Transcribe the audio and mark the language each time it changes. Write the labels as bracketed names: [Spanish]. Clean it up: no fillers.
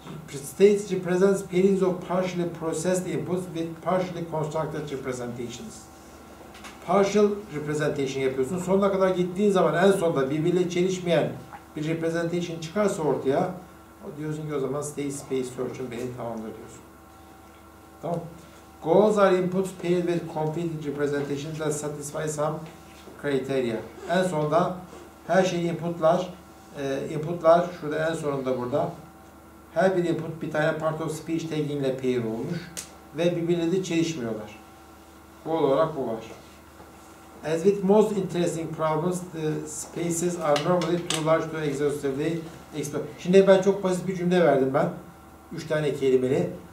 [English] States represents pairings of partially processed inputs with partially constructed representations. [Turkish] Partial representation yapıyorsun. Sonuna kadar gittiğin zaman en sonda birbiriyle çelişmeyen bir representation çıkarsa ortaya, diyorsun ki o zaman state space search'ın beni tamamdır diyorsun. Tamam. [English] Goals are input paired with complete representations that satisfy some criteria. [Turkish] En sonunda her şey inputlar, inputlar şurada en sonunda burada. Her bir input bir tane part of speech tagging ile pair olmuş ve birbirine de çelişmiyorlar. Goal olarak bu var. [English] As with most interesting problems, the spaces are normally too large to exhaustively explore. [Turkish] Şimdi ben çok basit bir cümle verdim ben. 3 tane kelimeli.